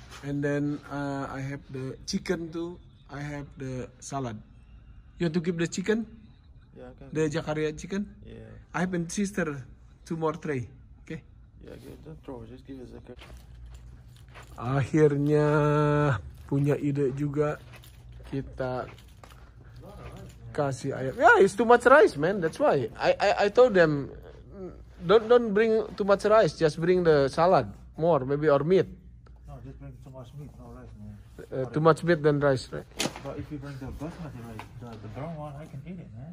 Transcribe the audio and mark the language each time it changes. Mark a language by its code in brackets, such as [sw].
[en] And then I have the chicken too. I have the salad. You want to keep the chicken? Yeah, I can. The Jakarta chicken? Yeah. I have a sister, 2 more tray. Okay? Yeah, don't throw. Just give it a second. [id] akhirnya punya ide juga, kita kasih ayam. [en] Yeah, it's too much rice, man. That's why I told them don't bring too much rice, just bring the salad more, maybe or meat. No, just bring too much meat, no rice, man. Too much meat than rice, right? But if you bring the basmati rice, the brown one, I can eat it, man.